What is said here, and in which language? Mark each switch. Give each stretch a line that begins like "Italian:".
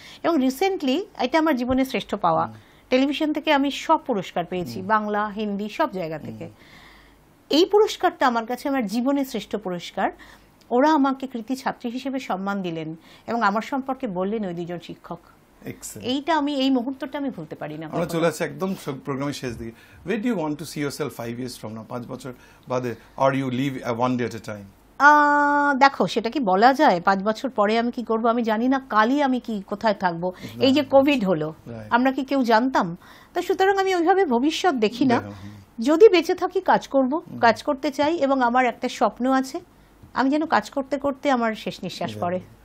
Bangla: এবং রিসেন্টলি এটা আমার জীবনের শ্রেষ্ঠ পাওয়া, টেলিভিশন থেকে আমি সব পুরস্কার পেয়েছি, বাংলা হিন্দি সব জায়গা থেকে, এই পুরস্কারটা আমার কাছে আমার জীবনের শ্রেষ্ঠ পুরস্কার। ওরা আমাকে কৃতি ছাত্রী হিসেবে সম্মান দিলেন এবং আমার সম্পর্কে বললেন ওই দুজন শিক্ষক। এইটা আমি এই মুহূর্তটা আমি ভুলতে পারি না। আমরা চলে আসছি একদম প্রোগ্রামের শেষ দিকে।
English: Where do you want to see yourself 5 years from now?
Bangla: 5 বছর বাদে,
English: or you live one day at a time?
Bangla: দেখো সেটা কি বলা যায়, 5 বছর পরে আমি কি করবো আমি জানি না, কালই আমি কি কোথায় থাকবো, এই যে কোভিড হলো আমরা কি কেউ জানতাম, তো সুতরাং আমি ওইভাবে ভবিষ্যৎ দেখি না। যদি বেঁচে থাকি কাজ করব, কাজ করতে চাই, এবং আমার একটা স্বপ্ন আছে আমি যেন কাজ করতে করতে আমার শেষ নিঃশ্বাস পড়ে।